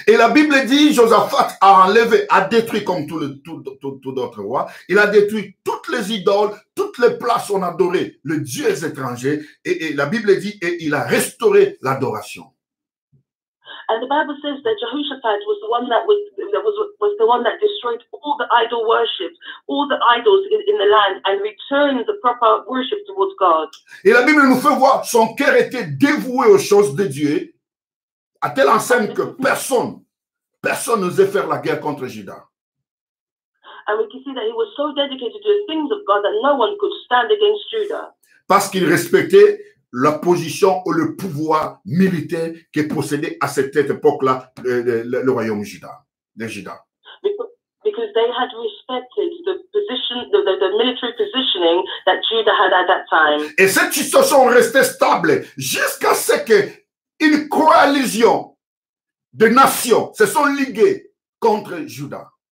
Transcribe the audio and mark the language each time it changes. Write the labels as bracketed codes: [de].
[fr] Et la Bible dit, Josaphat a enlevé, a détruit comme tout d'autres rois. Il a détruit toutes les idoles, toutes les places où on adorait le Dieu étranger. Et la Bible dit, et il a restauré l'adoration. [en] And the Bible says that Jehoshaphat was the one that was the one that destroyed all the idol worship, all the idols in the land, and returned the proper worship towards God. [fr] Et la Bible nous fait voir son cœur était dévoué aux choses de Dieu, à telle enceinte que personne n'osait faire la guerre contre Juda. [en] And we can see that he was so dedicated to the things of God that no one could stand against Judah. [fr] Parce qu'il respectait la position ou le pouvoir militaire qui possédait à cette époque-là le royaume Juda, de Juda. [en] Because they had respected the position, the military positioning that Judah had at that time. [fr] Et cette situation restait stable jusqu'à ce qu'une coalition de nations se sont liguées contre Juda.